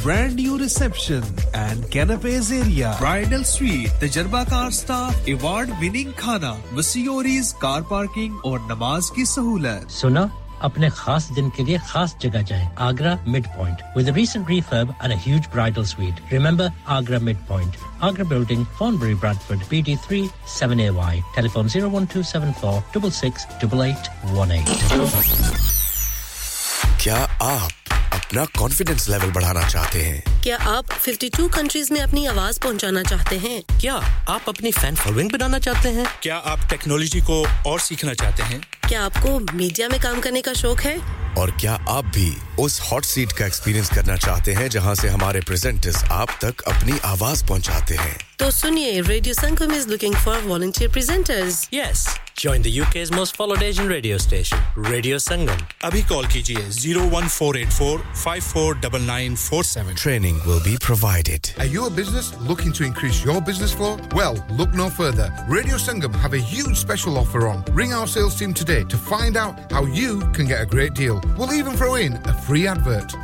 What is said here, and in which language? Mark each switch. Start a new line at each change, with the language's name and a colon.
English: Brand new reception and canapes area, bridal suite, tajarba car staff, award winning khana, Vasiori's car parking.
Hindi: और नमाज की सहूलत सुना अपने खास दिन के लिए खास जगह जाएं
English: Agra midpoint with a recent refurb and a huge bridal suite remember Agra midpoint Agra Building, Thornbury, Bradford, BD3 7AY telephone 01274 668818
Hindi: क्या आप अपना कॉन्फिडेंस लेवल बढ़ाना चाहते हैं? क्या आप 52 कंट्रीज में अपनी आवाज पहुंचाना चाहते हैं? क्या आप अपनी फैन फॉलोइंग बनाना चाहते हैं? क्या आप टेक्नोलॉजी को और सीखना चाहते हैं? क्या आपको मीडिया में काम करने का शौक है? और क्या आप भी उस हॉट सीट का एक्सपीरियंस करना चाहते हैं जहां से हमारे प्रेजेंटर्स आप तक अपनी आवाज पहुंचाते हैं? तो सुनिए,
English: Radio Sangam is looking for volunteer presenters. Yes, join the UK's most followed Asian radio station, radio Sangam.
Hindi: अभी कॉल कीजिए 01484549947.
English: Training will be provided. Are you a business looking to increase your business flow? Well, look no further. Radio Sangam have a huge special offer on. Ring our sales team today to find out how you can get a great deal. We'll even throw in a free advert.